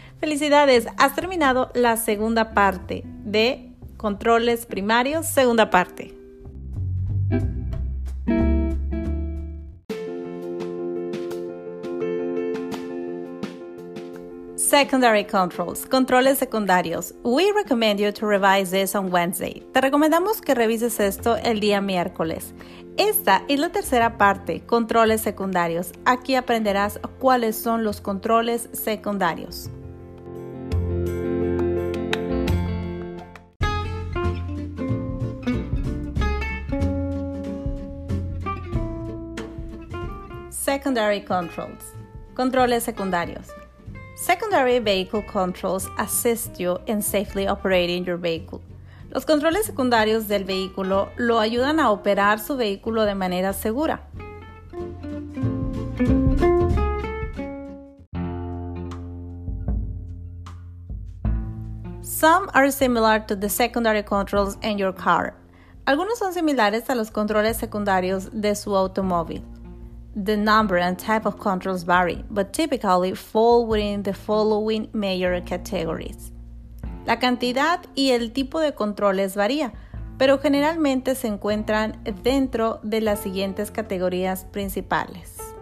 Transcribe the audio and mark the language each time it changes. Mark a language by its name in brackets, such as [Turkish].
[Spanish] Felicidades! Has terminado la segunda parte de controles primarios, segunda parte. [English] Secondary controls, [Spanish] controles secundarios. [English] We recommend you to revise this on Wednesday. [Spanish] Te recomendamos que revises esto el día miércoles. Esta es la tercera parte, controles secundarios. Aquí aprenderás cuáles son los controles secundarios. [English] Secondary controls, [Spanish] controles secundarios. [English] Secondary vehicle controls assist you in safely operating your vehicle. [Spanish] Los controles secundarios del vehículo lo ayudan a operar su vehículo de manera segura. [English] Some are similar to the secondary controls in your car. [Spanish] Algunos son similares a los controles secundarios de su automóvil. [English] The number and type of controls vary, but typically fall within the following major categories. [Spanish] La cantidad y el tipo de controles varía, pero generalmente se encuentran dentro de las siguientes categorías principales.